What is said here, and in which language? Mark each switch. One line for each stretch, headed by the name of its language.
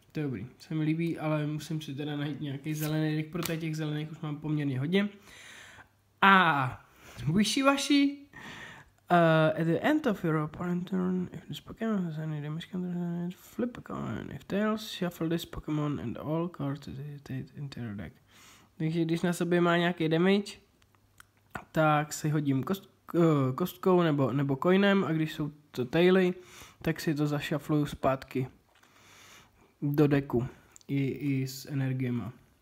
Czech: To je dobrý, se mi líbí, ale musím si teda najít nějaký zelený deck, protože těch zelených už mám poměrně hodně.
English: A wishy-washy. At the end of your opponent turn, if this Pokémon has any damage counters on it, flip a coin. If tails, shuffle this Pokémon and all cards that it takes into your deck.
Czech: Takže když na sobě má nějaký damage, tak si hodím kostkou nebo coinem a když jsou to taily, tak si to zašafluju zpátky do deku i s energiema.